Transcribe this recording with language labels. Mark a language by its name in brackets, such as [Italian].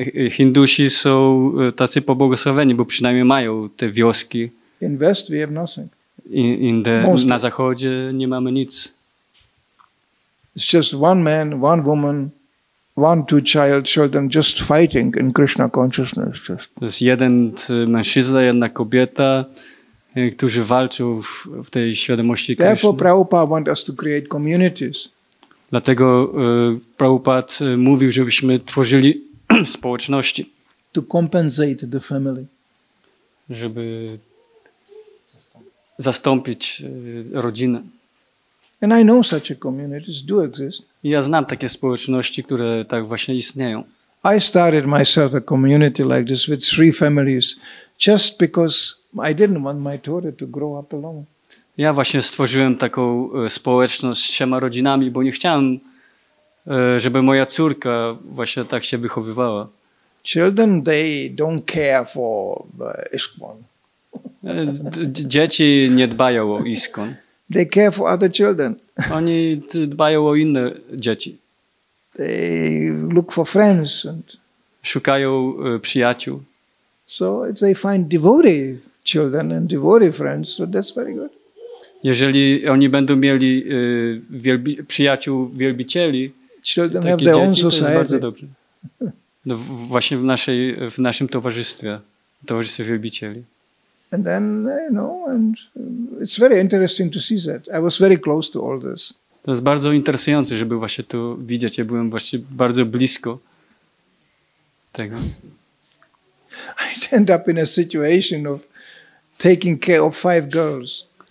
[Polish] Hindusi są tacy pobłogosławieni, bo przynajmniej mają te wioski. [English] In West we have nothing. [Polish] Na zachodzie nie mamy nic. [English] It's just one man, one woman, one, two children just fighting in Krishna consciousness. Just. [Polish] To jest jeden mężczyzna, jedna kobieta, którzy walczą w tej świadomości Krishna. [English] Therefore, Prabhupada wants us to create communities. [Polish] Dlatego Prabhupada mówił, żebyśmy tworzyli społeczności. [English] To compensate the family. [Polish] Żeby zastąpić rodzinę. [English] And I know such a communities do exist. [Polish] Ja znam takie społeczności, które tak właśnie istnieją. [English] I started myself a community like this with three families just because I didn't want my daughter to grow up alone. [Polish] Ja właśnie stworzyłem taką społeczność z trzema rodzinami, bo nie chciałem, żeby moja córka właśnie tak się wychowywała. [English] Children, they don't care for Iskon. [Polish] Dzieci nie dbają o Iskon. [English] They care for other children. [Polish] Oni dbają o inne dzieci. [English] They look for friends and [Polish] szukają przyjaciół. [English] So if they find devoted children and devoted friends, so that's very good. [Polish] Jeżeli oni będą mieli przyjaciół wielbicieli, [English] children have their own society. [Polish] To jest bardzo dobrze. No, właśnie w naszym towarzystwie wielbicieli. [English] And then, you know, and it's very interesting to see that. I was very close to all this. [Polish] To jest bardzo interesujące, żeby właśnie to widzieć. Ja byłem właśnie bardzo blisko tego. [English] I end up in a situation of taking care of five girls.